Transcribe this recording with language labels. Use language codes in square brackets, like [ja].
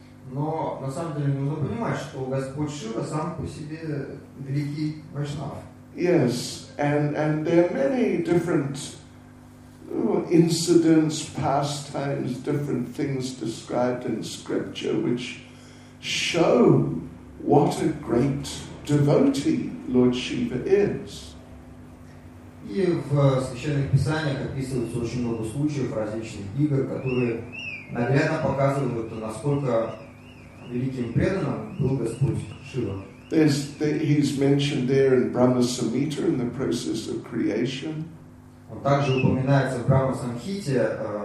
[ru] Но на самом деле нужно понимать, что Господь Шива сам по себе великий Вайшнав. [en] Yes, and there are many different incidents, pastimes, different things described in scripture which show what a great devotee Lord Shiva is. [ru] И в священных писаниях описывается очень много случаев различных игр, которые наглядно показывают, насколько великим преданным был Господь Шива. [en] He's mentioned there in Brahma Samhita in the process of creation. [ru] Он также упоминается в Брахма Самхите.